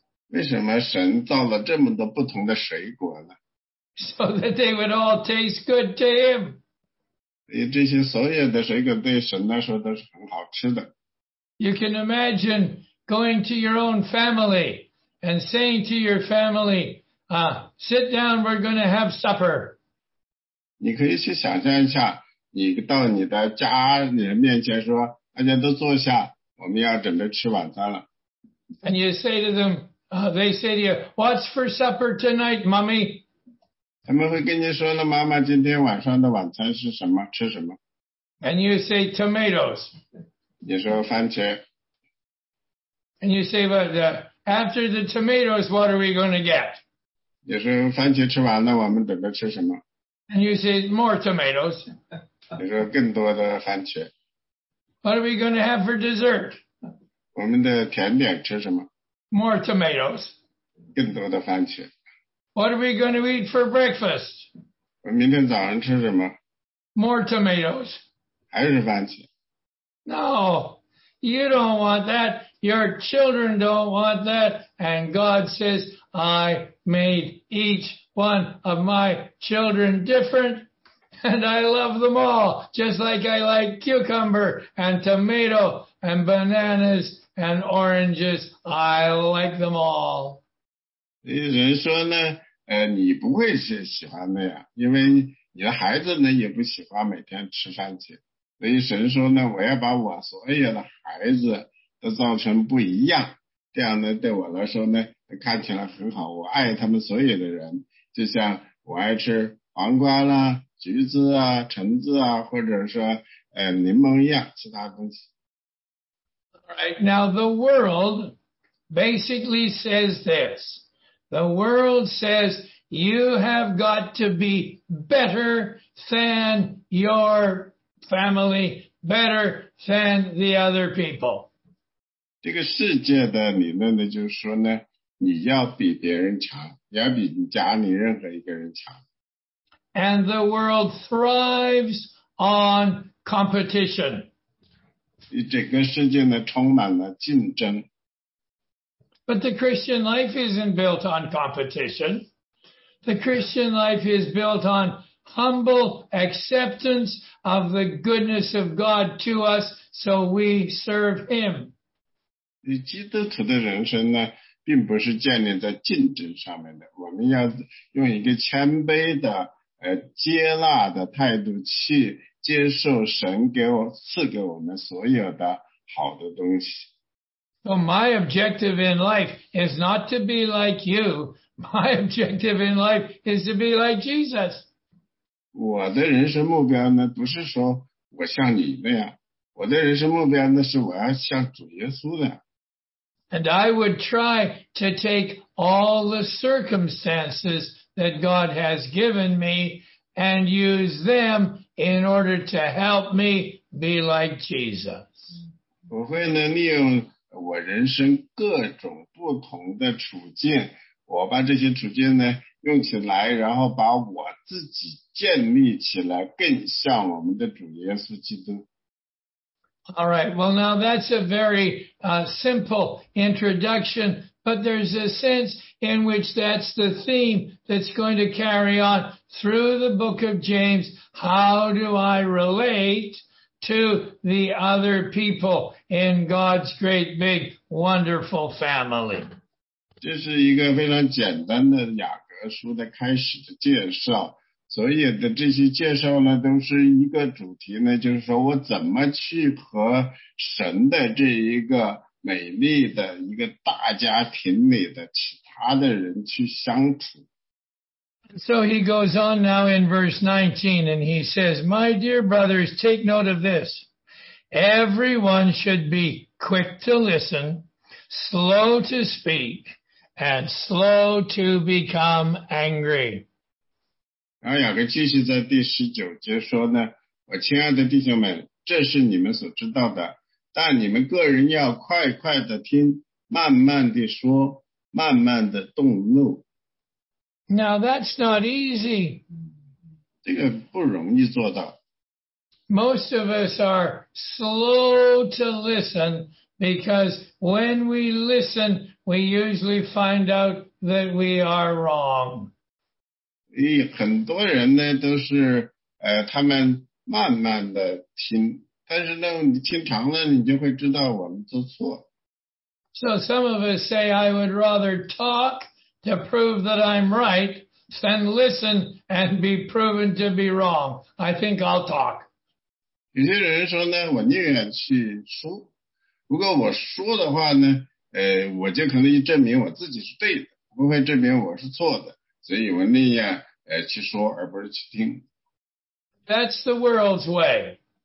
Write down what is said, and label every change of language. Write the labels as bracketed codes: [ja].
[zh] 为什么神造了这么多不同的水果呢？ [en] So that they would all taste good to Him. [zh] 这些所有的水果对神来说都是很好吃的。 [en] You can imagine going to your own family and saying to your family, sit down, we're going to have supper. [zh] 你可以去想象一下，你到你的家人面前说，大家都坐下，我们要准备吃晚餐了。 [en] And you say to them, they say to you, what's for supper tonight, mommy? [zh] 他们会跟你说了，妈妈今天晚上的晚餐是什么，吃什么。 [en] And you say tomatoes. [zh] 你说番茄。 [en] And you say, but after the tomatoes, what are we going to get? [zh] 也是番茄吃完了，我们准备吃什么？ [en] And you say, more tomatoes. [zh] 也是更多的番茄。 [en] What are we going to have for dessert? [zh] 我们的甜点吃什么？ [en] More tomatoes. [zh] 更多的番茄。 [en] What are we going to eat for breakfast? [zh] 明天早上吃什么? [en] More tomatoes. [zh] 还是番茄? [en] No, you don't want that. Your children don't want that. And God says, I made each one of my children different. And I love them all, just like I like cucumber and tomato and bananas and oranges. I like them all. [zh] 人说呢，你不会是喜欢那样，因为你的孩子呢也不喜欢每天吃番茄。所以神说呢，我要把我所有的孩子都造成不一样，这样呢对我来说呢看起来很好。我爱他们所有的人，就像我爱吃黄瓜啦、橘子啊、橙子啊，或者说柠檬一样其他东西。 [en] Right now, the world basically says this. The world says you have got to be better than your family, better than the other people. [zh] 这个世界的理论呢，就是说呢，你要比别人强，要比你家里任何一个人强。 [en] And the world thrives on competition. [zh] 整个世界呢，充满了竞争。 [en] But the Christian life isn't built on competition. The Christian life is built on humble acceptance of the goodness of God to us, so we serve Him. [zh] 基督徒的人生呢，并不是建立在竞争上面的。我们要用一个谦卑的、接纳的态度去接受神给我赐给我们所有的好的东西。 [en] So my objective in life is not to be like you. My objective in life is to be like Jesus. [zh] 我的人生目标呢，不是说我像你那样。我的人生目标呢，是我要像主耶稣那样。 [en] And I would try to take all the circumstances that God has given me and use them in order to help me be like Jesus. [zh] 我会呢利用我人生各种不同的处境，我把这些处境呢用起来，然后把我自己建立起来，更像我们的主耶稣基督。 [en] All right, well now that's a very simple introduction, but there's a sense in which that's the theme that's going to carry on through the book of James. How do I relate? To the other people in God's great, big, wonderful family. [zh] 这是一个非常简单的雅各书的开始的介绍。所以的这些介绍呢，都是一个主题呢，就是说我怎么去和神的这一个美丽的一个大家庭里的其他的人去相处。 [en] So he goes on now in verse 19 and he says, My dear brothers, take note of this. Everyone should be quick to listen, slow to speak, and slow to become angry. [zh] 然后雅各继续在第十九节说呢，我亲爱的弟兄们，这是你们所知道的，但你们个人要快快的听，慢慢的说，慢慢的动怒。 [en] Now that's not easy. [zh] 这个不容易做到。 [en] Most of us are slow to listen because when we listen, we usually find out that we are wrong. [zh] 很多人呢都是他们慢慢的听，但是呢你听长了你就会知道我们做错。 [en] So some of us say I would rather talk. To prove that I'm right, then listen and be proven to be wrong. I think I'll talk. [zh] 有些人说呢，我宁愿去说。如果我说的话呢，我就可能证明我自己是对的，不会证明我是错的。所以我宁愿去说，而不是去听。 [en] That's the world's way.